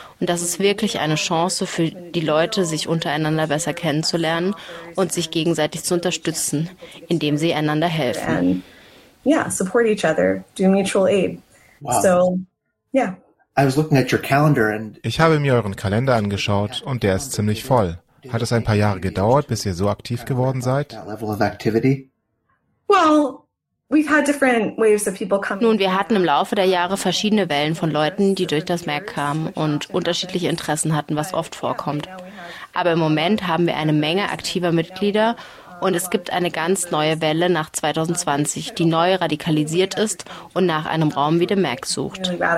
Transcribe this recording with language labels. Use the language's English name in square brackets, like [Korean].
[German] Und das ist wirklich eine Chance für die Leute, sich untereinander besser kennenzulernen und sich gegenseitig zu unterstützen, indem sie einander helfen. [English] Yeah, support each other, do mutual aid. So, yeah. I was looking at your calendar and [German] ich habe mir euren Kalender angeschaut und der ist ziemlich voll. Hat es ein paar Jahre gedauert, bis ihr so aktiv geworden seid? [English] Well, we've had different waves of people coming. [German] Nun, wir hatten im Laufe der Jahre verschiedene Wellen von Leuten, die durch das Mac kamen und unterschiedliche Interessen hatten, was oft vorkommt. Aber im Moment haben wir eine Menge aktiver Mitglieder. Und es gibt eine ganz neue Welle nach 2020, die neu radikalisiert ist und nach einem Raum wie dem Mac sucht.